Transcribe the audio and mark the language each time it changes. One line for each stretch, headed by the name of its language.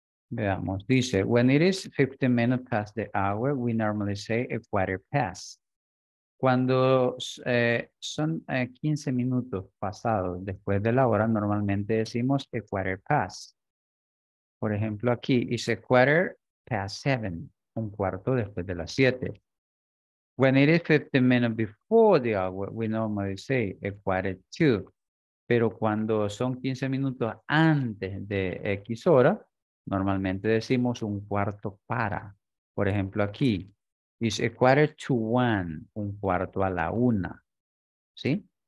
Spanish: Veamos, dice,
English: when it is 15 minutes past the hour, we normally say a quarter past.
Spanish: Cuando son 15 minutos pasados después de la hora, normalmente decimos
English: a quarter past.
Spanish: Por ejemplo, aquí,
English: it's a quarter past seven,
Spanish: un cuarto después de las 7.
English: When it is 15 minutes before the hour, we normally say a quarter to.
Spanish: Pero cuando son 15 minutos antes de X hora, normalmente decimos un cuarto para. Por ejemplo, aquí,
English: it's a quarter to one,
Spanish: un cuarto a la una. ¿Sí?